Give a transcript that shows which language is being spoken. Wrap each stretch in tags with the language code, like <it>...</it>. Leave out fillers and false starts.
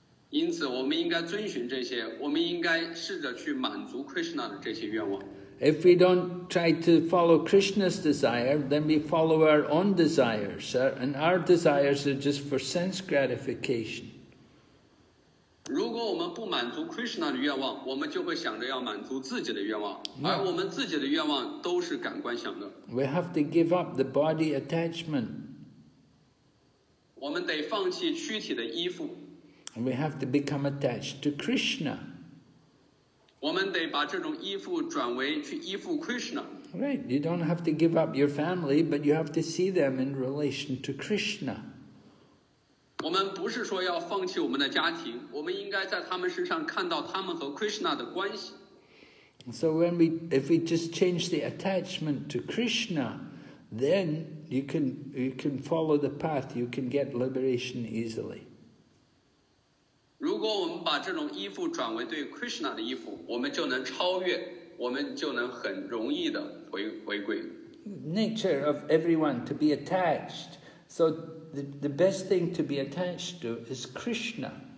<zh>因此，我们应该遵循这些，我们应该试着去满足 Krishna 的这些愿望。</zh> <en>If we don't try to follow Krishna's desire, then we follow our own desires, and our desires are just for sense gratification.</en> <zh>如果我们不满足 Krishna 的愿望，我们就会想着要满足自己的愿望，而我们自己的愿望都是感官享乐。</zh> <en>We have to give up the body attachment.</en> <zh>我们得放弃躯体的依附。</zh> <en>And we have to become attached to Krishna.</en> <zh>我们得把这种依附转为去依附 Krishna.</zh> <en>Right, you don't have to give up your family, but you have to see them in relation to Krishna.</en> <zh>我们不是说要放弃我们的家庭，我们应该在他们身上看到他们和 Krishna 的关系。</zh> <en>So if we just change the attachment to Krishna, then you can follow the path, you can get liberation easily.</en> <zh>如果我们把这种依附转为对 Krishna 的依附，我们就能超越，我们就能很容易的回归。</zh> <en>Nature of everyone to be attached. So the best thing to be attached to is Krishna.</en>